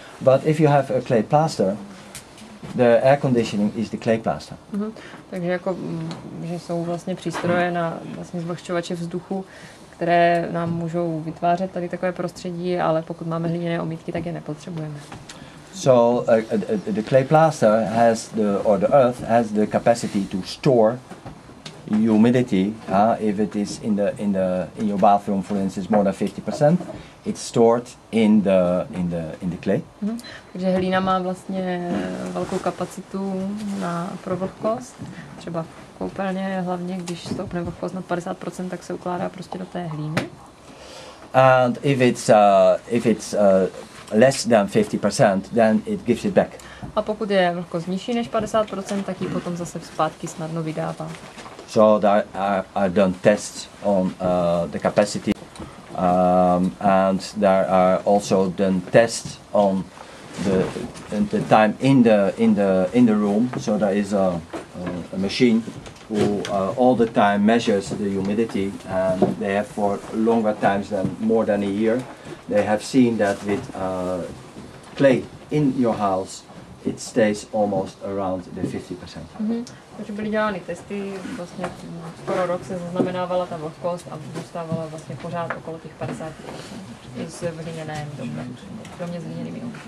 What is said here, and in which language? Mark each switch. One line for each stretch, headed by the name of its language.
English: But if you have a clay plaster, the air conditioning is the clay plaster. Mm-hmm.
Czech: Takže jako, že jsou vlastně přístroje na vlastně zvlhčovače vzduchu, které nám můžou vytvářet tady takové prostředí, ale pokud máme hliněné omítky, tak je nepotřebujeme.
English: So the clay plaster has the capacity to store humidity. If it is in your bathroom, for instance, more than 50%. It's stored in the clay. Mm-hmm.
Czech: Takže hlína má vlastně velkou kapacitu na pro vlhkost. Třeba v koupelně hlavně, když stoupne vlhkost na 50%, tak se ukládá prostě do té hlíny.
English: And if it's less than 50%, then it gives it back.
Czech: A pokud je vlhkost nižší než 50%, tak ji potom zase zpátky snadno vydává.
English: So there are done tests on the capacity. And there are also done tests on the time in the room. So there is a machine who all the time measures the humidity, and they have for longer times than more than a year. They have seen that with clay in your house, it stays almost around the 50%. Mm-hmm.
Czech: Takže byly dělány testy, vlastně skoro rok se zaznamenávala ta vlhkost a zůstávala vlastně pořád okolo těch 50% s vyhněným domem, kromě s vyhněnými